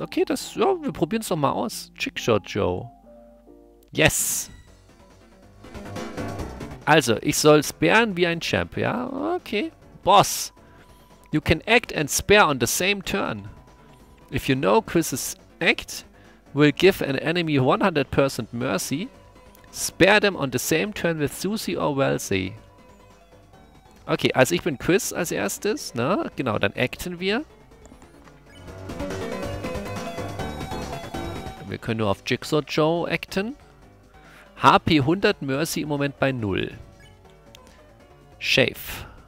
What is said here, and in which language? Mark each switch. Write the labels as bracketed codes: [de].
[de] Okay, das, ja, wir probieren es doch mal aus. Trickshot Joe. Yes! Also, ich soll sparen wie ein Champ, ja? Okay. Boss! [en] You can act and spare on the same turn. If you know Chris's act, will give an enemy 100% mercy, spare them on the same turn with Susie or Wellesley. [de] Okay, also ich bin Chris als erstes, ne? Genau, dann acten wir. Wir können nur auf Jigsaw Joe acten. HP 100, Mercy im Moment bei 0. Shave.